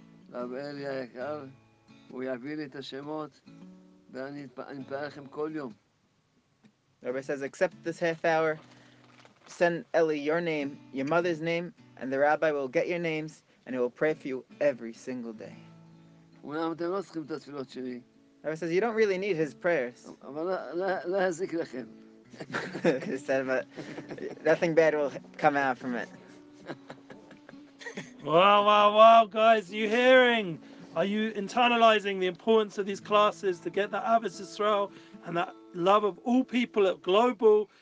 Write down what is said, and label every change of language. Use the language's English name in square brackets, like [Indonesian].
[Hebrew] לאבאל יקר, הוא יעביר את השמות, ואני אפעל לכם כל יום. [English] Rabbi says, accept this half hour, send Eli your name, your mother's name, and the rabbi will get your names, and he will pray for you every single day. [Hebrew] אומנם אתם לא צריכים את התפילות שלי. [English] Rabbi says, you don't really need his prayers. [Hebrew] אבל לא יזיק לכם. [English] He said, but nothing bad will come out from it. Wow, wow, wow, guys, are you hearing? Are you internalizing the importance of these classes to get that Avos Yisrael and that love of all people at Global?